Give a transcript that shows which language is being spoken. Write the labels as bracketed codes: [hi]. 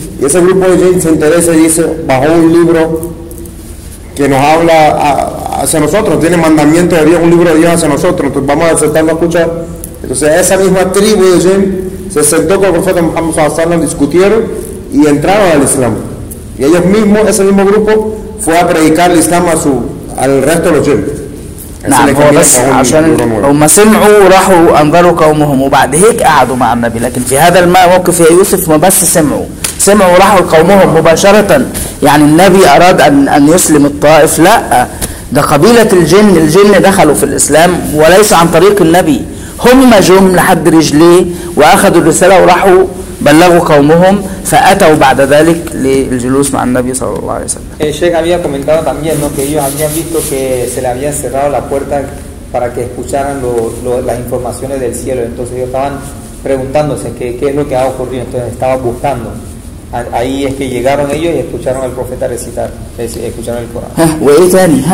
[es] Y ese grupo de jinn se interesa y dice, bajó un libro que nos habla hacia nosotros, tiene mandamiento de Dios, un libro de Dios hacia nosotros, entonces vamos a sentarlo a escuchar. Entonces esa misma tribu de jinn se sentó con el profeta Muhammad sallallahu alaihi wasallam, discutieron y entraron al Islam. Y ellos mismos, ese mismo grupo, fue a predicar el Islam a su... al resto de los jinnes. [ar] نعم هو بس عشان هم سمعوا راحوا انظروا قومهم وبعد هيك قعدوا مع النبي، لكن في هذا الموقف يا يوسف ما بس سمعوا راحوا قومهم مباشره. يعني النبي اراد ان يسلم الطائف؟ لا، ده قبيلة الجن، الجن دخلوا في الإسلام وليس عن طريق النبي، هم جم لحد رجليه وأخذوا الرسالة وراحوا بلغوا قومهم، فأتوا بعد ذلك للجلوس مع النبي صلى الله عليه وسلم. [es] الشيخ había comentado también no que ellos habían visto que se le habían cerrado la puerta para que escucharan las informaciones del cielo. Entonces ellos estaban preguntándose qué es lo que ha ocurrido. Entonces estaban buscando. Ahí es que llegaron ellos y escucharon al profeta recitar, escucharon el Corán.